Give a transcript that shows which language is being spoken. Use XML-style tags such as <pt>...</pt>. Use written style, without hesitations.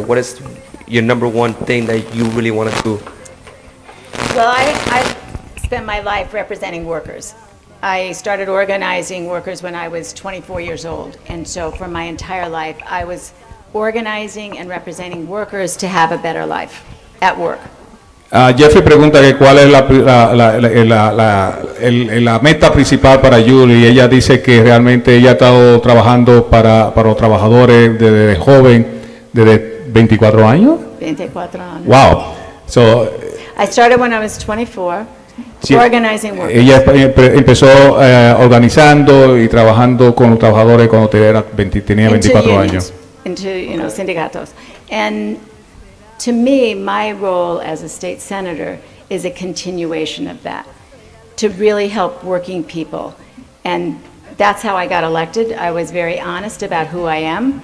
<en>What is your number one thing that you really want to do? Well, I spent my life representing workers. I started organizing workers when I was 24 years old, and so for my entire life, I was organizing and representing workers to have a better life at work.</en> <es>Jeffrey pregunta que cuál es la meta principal para Julie. Ella dice que realmente ella ha estado trabajando para los trabajadores desde joven, 24 años? 24 años.</es> <en>Wow. So, I started when I was 24. Sí, organizing workers.</en> <es>Ella empezó organizando y trabajando con los trabajadores cuando tenía 24 años.</es> <en>Into, you know, sindicatos. And to me, my role as a state senator is a continuation of that, to really help working people. And that's how I got elected. I was very honest about who I am.</en>